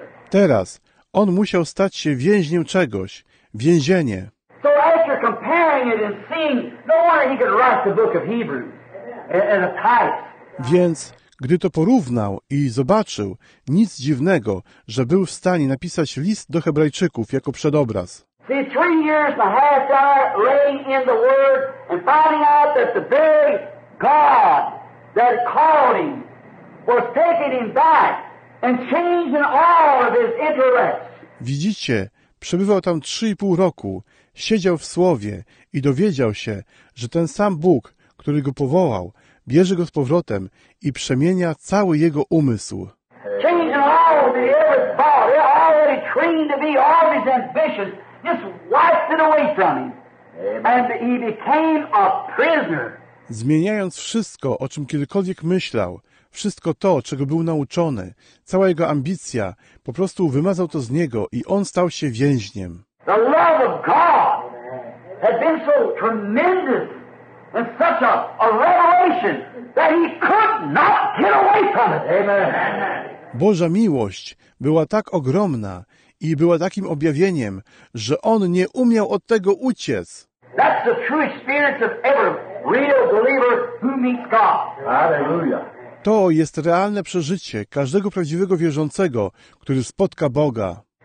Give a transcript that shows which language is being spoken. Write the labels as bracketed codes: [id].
[pl] Teraz on musiał stać się więźniem czegoś, więzienie. [en] So after comparing it and seeing, no wonder he could write the book of Hebrews as a type. [pl] Więc gdy to porównał i zobaczył, nic dziwnego, że był w stanie napisać list do Hebrajczyków jako przedobraz. [en] See, 3 years and a half there laying in the word and finding out that the very God that called him was taking him back. And changing all of his interests. [pl] Widzicie, przebywał tam 3,5 roku, siedział w Słowie i dowiedział się, że ten sam Bóg, który go powołał, bierze go z powrotem i przemienia cały jego umysł. [en] Changing all of his thought, he already trained to be all his ambitions, just wiped it away from him. And he became a prisoner. [pl] Zmieniając wszystko, o czym kiedykolwiek myślał, wszystko to, czego był nauczony, cała jego ambicja, po prostu wymazał to z niego i on stał się więźniem. [en] The love of God had been so tremendous and such a revelation that he could not get away from it. Amen. [pl] Boża miłość była tak ogromna i była takim objawieniem, że on nie umiał od tego uciec. [en] That's the true experience of every real believer who meets God. Hallelujah. [pl] To jest realne przeżycie każdego prawdziwego wierzącego, który spotka Boga.